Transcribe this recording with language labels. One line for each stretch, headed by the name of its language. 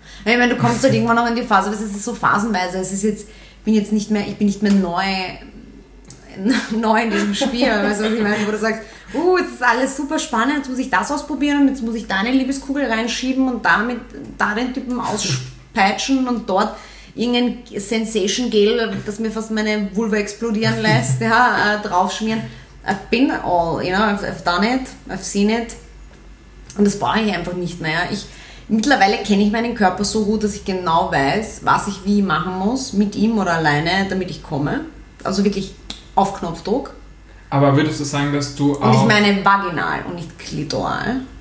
German: Ich meine, du kommst halt irgendwann noch in die Phase, das ist so phasenweise. Es ist jetzt, ich bin nicht mehr neu in diesem Spiel. Weißt du, was ich meine? Wo du sagst, jetzt ist alles super spannend, jetzt muss ich das ausprobieren und jetzt muss ich da eine Liebeskugel reinschieben und damit da den Typen auspeitschen und dort irgendein Sensation-Gel, das mir fast meine Vulva explodieren lässt, ja, draufschmieren.
English: I've been all, you know, I've done it, I've seen it.
German: Und das brauche ich einfach nicht mehr. Mittlerweile kenne ich meinen Körper so gut, dass ich genau weiß, was ich wie machen muss, mit ihm oder alleine, damit ich komme. Also wirklich auf Knopfdruck. Aber würdest du sagen, dass du auch... Und ich meine vaginal und nicht klitoral.